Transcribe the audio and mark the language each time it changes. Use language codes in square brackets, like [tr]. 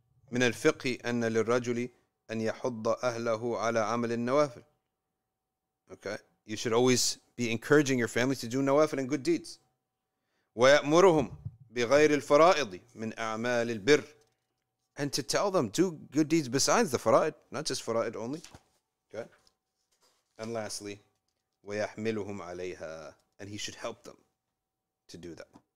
[ar] من الفقه أن للرجل أن يحض أهله على عمل النوافل. [en] Okay? You should always be encouraging your family to do nawafil and good deeds. [ar] ويأمرهم بغير الفرائض من أعمال البر. [en] And to tell them, do good deeds besides the faraid, not just faraid only. Okay. And lastly, [ar] ويحملهم عليها. [en] And he should help them to do that.